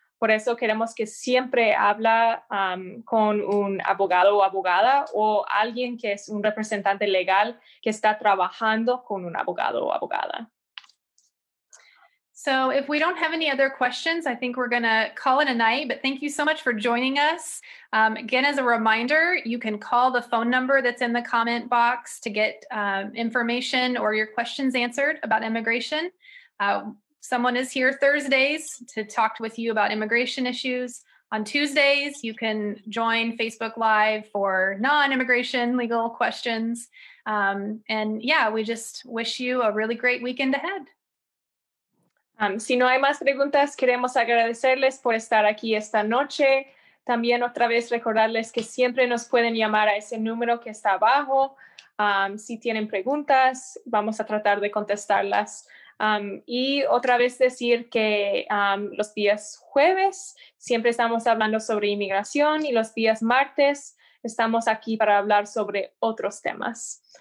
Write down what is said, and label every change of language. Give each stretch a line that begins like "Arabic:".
Spanish: Por eso queremos que siempre habla con un abogado o abogada o alguien que es un representante legal que está trabajando con un abogado o abogada.
English: So if we don't have any other questions, I think we're going to call it a night, but thank you so much for joining us. Again, as a reminder, you can call the phone number that's in the comment box to get information or your questions answered about immigration. Someone is here Thursdays to talk with you about immigration issues. On Tuesdays, you can join Facebook Live for non-immigration legal questions. And yeah, we just wish you a really great weekend ahead.
Spanish: Si no hay más preguntas, queremos agradecerles por estar aquí esta noche. También otra vez recordarles que siempre nos pueden llamar a ese número que está abajo. Si tienen preguntas, vamos a tratar de contestarlas. Y otra vez decir que los días jueves siempre estamos hablando sobre inmigración y los días martes estamos aquí para hablar sobre otros temas.